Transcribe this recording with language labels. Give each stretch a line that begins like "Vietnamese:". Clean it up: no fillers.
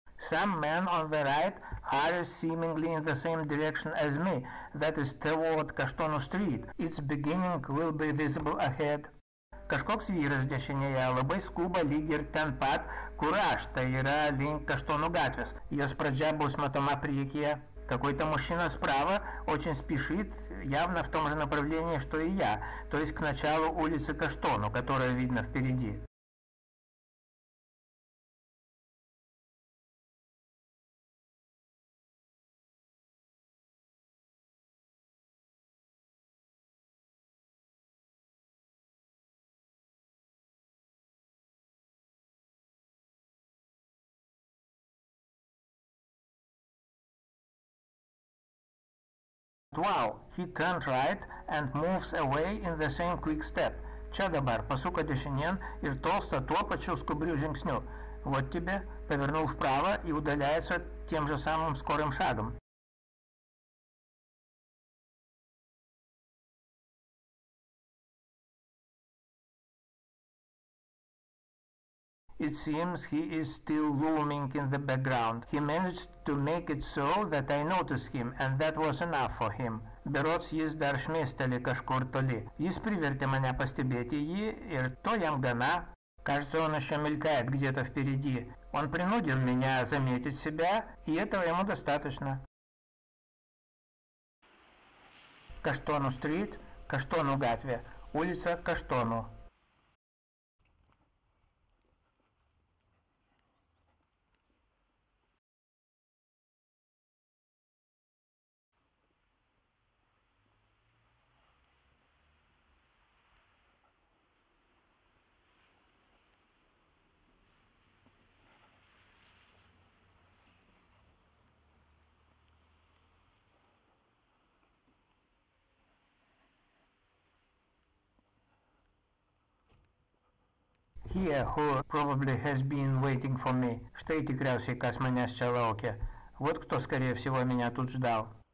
English: Some men on the right hurry seemingly in the same direction as me, that is toward Kaštonų Street. Its beginning will be visible ahead.
Lithuanian: Kažkoks vyras dešinėje labai skuba lyg ir ten pat, kur aš, tai yra link Kaštonų gatvės. Jos pradžia bus matoma priekyje.
Russian: Какой-то мужчина справа очень спешит, явно в том же направлении, что и я, то есть к началу улицы Каштону, которая видна впереди.
English: Wow, he turned right and moves away in the same quick step.
Lithuanian: Čia dabar pasuko dešinien ir tolsta tuo pačiu skubriu žingsniu.
Russian: Вот тебе, повернул вправо и удаляется тем же самым скорым шагом.
English: It seems he is still looming in the background. He managed to make it so that I noticed him, and that was enough for him.
Lithuanian: Berods jis dar šmėsteli kažkur toli. Jis privertė mane pastebėti jį, ir to jam gana.
Russian: Кажется, он еще мелькает где-то впереди. Он принудил меня заметить себя, и этого ему достаточно. Каштону стрит, Каштону гатве, улица Каштону.
English: Here, who probably has been waiting for me.
Lithuanian: Štai tikriausiai, kas manęs čia laukia.
Russian: Вот кто, скорее всего, меня тут ждал.